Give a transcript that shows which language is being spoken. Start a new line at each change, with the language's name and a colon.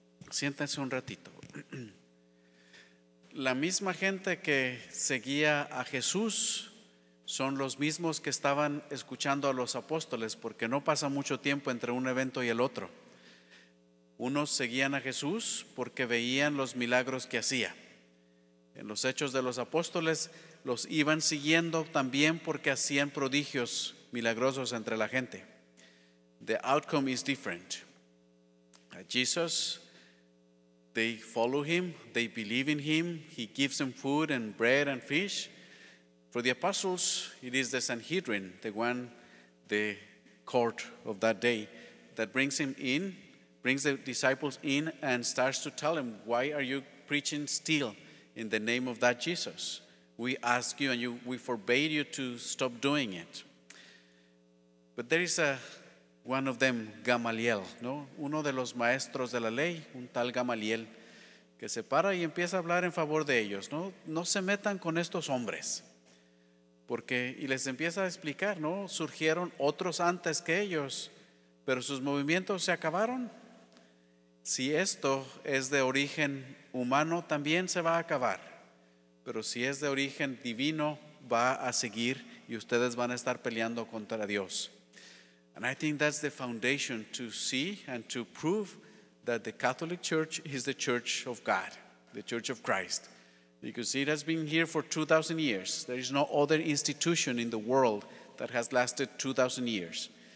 Spanish: Siéntense un ratito. La misma gente que seguía a Jesús son los mismos que estaban escuchando a los apóstoles, porque no pasa mucho tiempo entre un evento y el otro. Unos seguían a Jesús porque veían los milagros que hacía. En los Hechos de los Apóstoles los iban siguiendo también porque hacían prodigios milagrosos entre la gente.
English: The outcome is different. Jesus, they follow him, they believe in him, he gives them food and bread and fish. For the apostles, it is the Sanhedrin, the one, the court of that day, that brings him in, brings the disciples in and starts to tell him, why are you preaching still in the name of that Jesus? We ask you and you, we forbade you to stop doing it. But there is one of them, Gamaliel, ¿no?
Spanish: Uno de los maestros de la ley, un tal Gamaliel, que se para y empieza a hablar en favor de ellos, ¿no? No se metan con estos hombres. Porque, y les empieza a explicar, ¿no? Surgieron otros antes que ellos, pero sus movimientos se acabaron. Si esto es de origen humano, también se va a acabar. Pero si es de origen divino, va a seguir y ustedes van a estar peleando contra Dios.
English: And I think that's the foundation to see and to prove that the Catholic Church is the Church of God, the Church of Christ. Because it has been here for 2,000 years. There is no other institution in the world that has lasted 2,000 years.